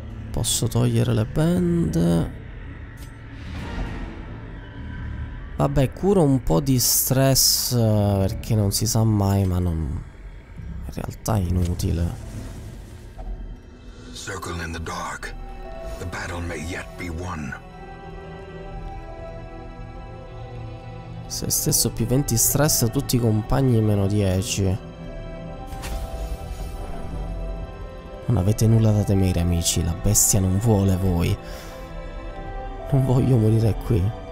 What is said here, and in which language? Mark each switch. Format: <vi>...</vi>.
<it>Posso togliere le band. Vabbè, curo un po' di stress perché non si sa mai, ma non, in realtà è inutile.</it> <en>Circle in the dark. The battle may yet be won.</en> <it>Se stesso più 20 stress a tutti i compagni meno 10. Non avete nulla da temere, amici. La bestia non vuole voi. Non voglio morire qui.</it>